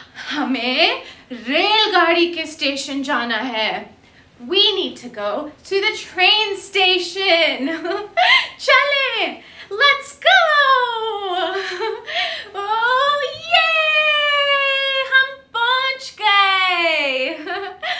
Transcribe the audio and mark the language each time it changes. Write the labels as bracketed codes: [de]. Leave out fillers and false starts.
[hi] हमें रेलगाड़ी के स्टेशन जाना है. [en] We need to go to the train station. [hi] चले, [en] let's go. Oh yay, [hi] हम पहुंच गए.